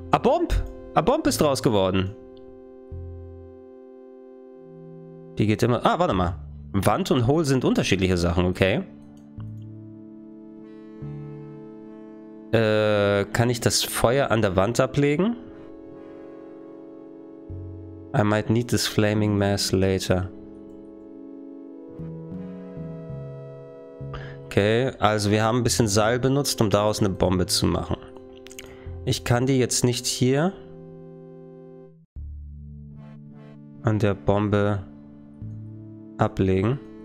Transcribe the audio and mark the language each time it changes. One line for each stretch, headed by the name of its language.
German: A Bomb ist draus geworden. Die geht immer. Ah, warte mal. Wand und Hohl sind unterschiedliche Sachen, okay. Kann ich das Feuer an der Wand ablegen?
English: I might need this flaming mass later.
German: Okay, also wir haben ein bisschen Seil benutzt, um daraus eine Bombe zu machen. Ich kann die jetzt nicht hier an der Bombe ablegen.